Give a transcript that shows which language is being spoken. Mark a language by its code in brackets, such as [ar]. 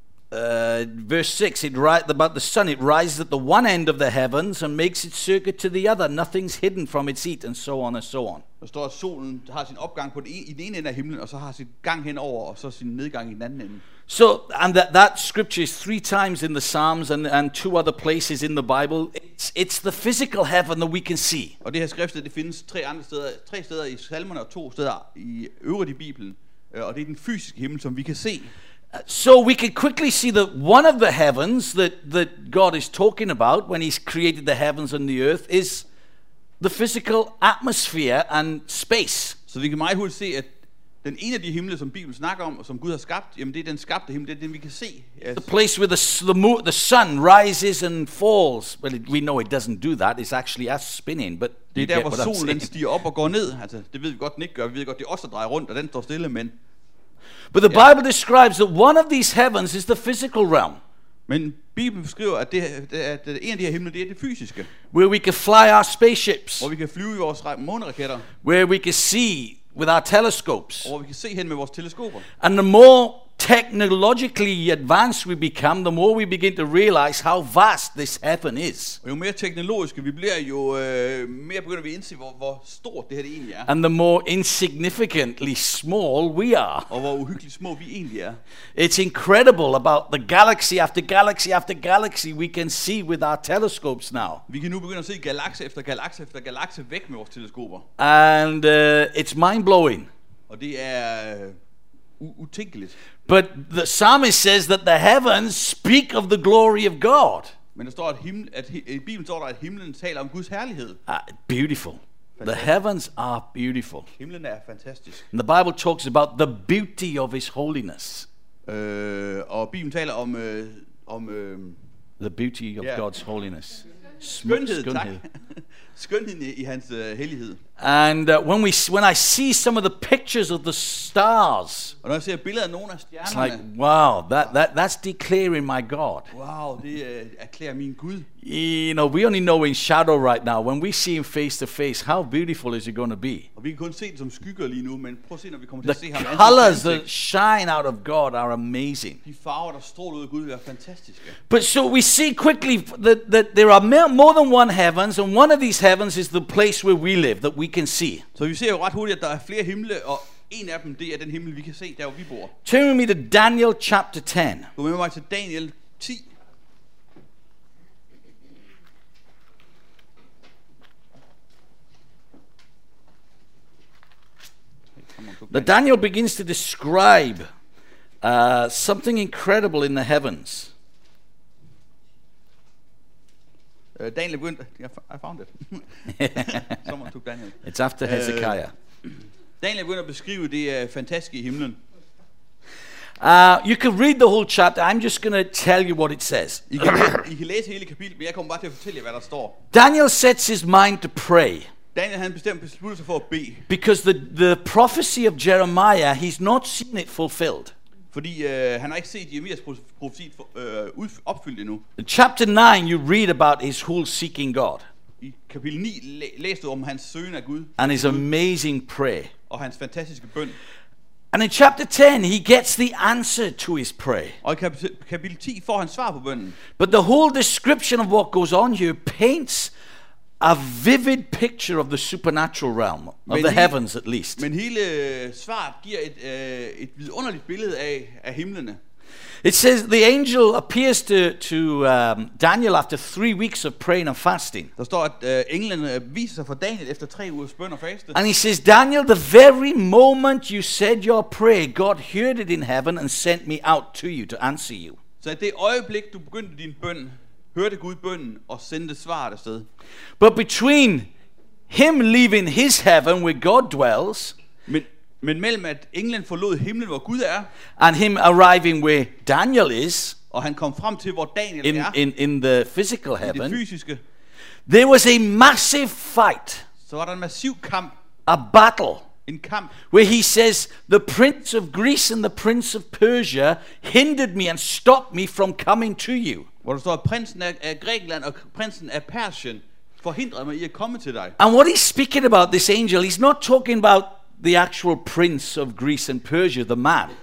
[en] Verse 6, it writes about the sun, it rises at the one end of the heavens and makes its circuit to the other, nothing's hidden from its heat, and so on and so on. [da] Der står, at solen har sin opgang på den ene ende af himlen, og så har sin gang henover, og så sin nedgang i den anden ende. [en] So, and that scripture is three times in the Psalms and two other places in the Bible. It's the physical heaven that we can see. [da] Og det her skriftet, det findes tre steder i salmerne og to steder i øvrigt i Bibelen. Og det er den fysiske himmel, som vi kan se. [en] So we can quickly see that one of the heavens that God is talking about when he's created the heavens and the earth is the physical atmosphere and space. [da] Så vi kan meget hurtigt se, at den ene af de himle, som Bibelen snakker om, og som Gud har skabt, jamen det er den skabte himmel, det er den vi kan se. [en] The place where the sun rises and falls. Well, we know it doesn't do that. It's actually us spinning, but [da] det er der, hvor solen stiger op og går ned. Altså, det ved vi godt, den ikke gør. Vi ved godt, det er os, der drejer rundt, og den står stille, men... [en] But the Bible describes that one of these heavens is the physical realm. [da] Men Bibelen beskriver, at en af de her himler, det er det fysiske. [en] Where we can fly our spaceships. [da] Hvor vi kan flyve i vores måneraketter. [en] Where we can see with our telescopes. [da] Hvor vi kan se hen med vores teleskoper. [en] And the more technologically advanced we become, the more we begin to realize how vast this heaven is. [da] Jo mere teknologiske vi bliver, jo mere begynder vi at indse, hvor stort det her egentlig er. [en] And the more insignificantly small we are. [da] Og hvor uhyggeligt små vi egentlig er. [en] It's incredible about the galaxy after galaxy after galaxy we can see with our telescopes now. [da] Vi kan nu begynde at se galakse efter galakse efter galakse væk med vores teleskoper. [en] And it's mind-blowing. [da] Og det er utænkeligt. [en] But the psalmist says that the heavens speak of the glory of God. [da] Men der står, at Bibelen står der, at himlen taler om Guds herlighed. [en] Beautiful. [da] Fantastisk. [en] The heavens are beautiful. [da] Himlen er fantastisk. [en] And the Bible talks about the beauty of his holiness. [da] Og Bibelen taler om [en] the beauty of God's holiness. [da] Skønhed, tak. I hans hellighed. [en] And when I see some of the pictures of the stars, [da] og når jeg ser billeder af nogle af stjernerne, [en] it's like, wow, that's declaring my God. [da] Wow, det erklærer min Gud. [en] You know, we only know in shadow right now. When we see him face to face, how beautiful is it going to be? [da] Og vi kan kun se det som skygger lige nu, men prøv at se, når vi kommer [en] the [da] til at se ham. [en] The colors that shine out of God are amazing. [da] De farver, der stråler ud af Gud, er fantastiske. [en] But so we see quickly that there are more than one heavens, and one of these heavens is the place where we live, that we can see. [da] Så vi ser jo ret hurtigt, at der er flere himle, og en af dem, det er den himmel, vi kan se, der hvor vi bor. [en] Turn with me to Daniel chapter 10. [da] Gå med mig til Daniel 10. [en] Now Daniel begins to describe something incredible in the heavens. [da] Daniel begyndte, [en] I found it. Someone took Daniel. It's after Hezekiah. [da] Daniel begyndte at beskrive det fantastiske i himlen. [en] You can read the whole chapter. I'm just going to tell you what it says. [da] I kan læse hele kapitlet, men jeg kommer bare til at fortælle jer, hvad der står. [en] Daniel sets his mind to pray. [da] Daniel, han besluttede sig for at bede. [en] Because the prophecy of Jeremiah, he's not seen it fulfilled. [da] Fordi han har ikke set Jeremias profeti opfyldt endnu. [en] In chapter 9 you read about his whole seeking God. [da] I kapitel 9 læste du om hans søgen af Gud. [en] And his amazing prayer. [da] Og hans fantastiske bøn. [en] And in chapter 10 he gets the answer to his prayer. [da] Og i kapitel 10 får han svar på bønnen. [en] But the whole description of what goes on here paints a vivid picture of the supernatural realm of the heavens, at least. [da] Men hele svaret giver et vidunderligt billede af himlene. [en] It says the angel appears to Daniel after 3 weeks of praying and fasting. [da] Der står, at englen viser sig for Daniel efter 3 ugers bøn og faste. [en] And he says, Daniel, the very moment you said your prayer, God heard it in heaven and sent me out to you to answer you. [da] Så det øjeblik du begyndte din bøn, hørte Gud bønnen og sendte svaret afsted. [en] But between him leaving his heaven where God dwells, [da] men mellem at englen forlod himlen hvor Gud er, [en] and him arriving where Daniel is, [da] og han kom frem til hvor Daniel [en] in the physical heaven, [da] i det fysiske, [en] there was a massive fight. [da] Så var der en massiv kamp, [en] a battle, [da] en kamp, [en] where he says the prince of Greece and the prince of Persia hindered me and stopped me from coming to you. [da] Hvor der står, at prinsen af Grækenland og prinsen af Persien forhindrede mig i at komme til dig. [en] And what he's speaking about, this angel, he's not talking about the actual prince of Greece and Persia, the man.